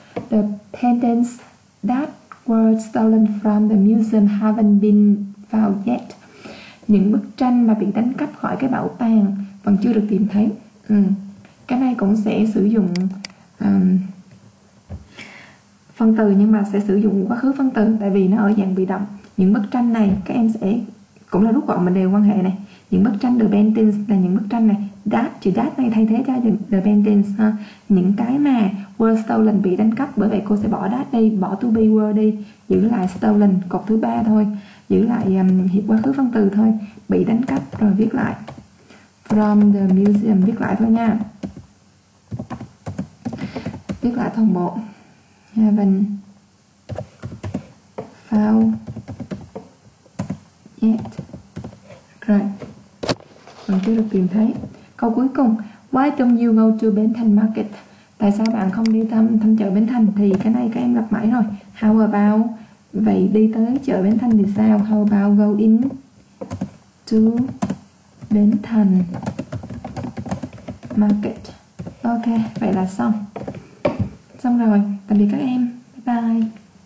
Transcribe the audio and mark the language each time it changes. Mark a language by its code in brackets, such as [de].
[en] The pendants that were stolen from the museum haven't been found yet. [vi] Những bức tranh mà bị đánh cắp khỏi cái bảo tàng vẫn chưa được tìm thấy. Cái này cũng sẽ sử dụng phân từ, nhưng mà sẽ sử dụng quá khứ phân từ tại vì nó ở dạng bị động. Những bức tranh này các em sẽ cũng là rút gọn mệnh đề quan hệ này. Những bức tranh, [en] the paintings, [vi] là những bức tranh này. That, chữ that này thay thế cho the paintings ha. Những cái mà [en] were stolen, [vi] bị đánh cắp. Bởi vậy cô sẽ bỏ that đi, bỏ to be were đi. Giữ lại stolen, cột thứ ba thôi. Giữ lại hiệp quá khứ phân từ thôi. Bị đánh cắp, rồi viết lại. [en] From the museum, [vi] viết lại thôi nha. Viết lại toàn bộ. [en] Haven't found yet. Right. [vi] Mình chưa được tìm thấy. Câu cuối cùng. [en] Why don't you go to Bến Thành Market? [vi] Tại sao bạn không đi thăm chợ Bến Thành? Thì cái này các em gặp mãi rồi. How about, vậy đi tới chợ Bến Thành thì sao? [en] How about go in to Bến Thành Market. [vi] Ok, vậy là xong. Xong rồi. Tạm biệt các em. Bye bye.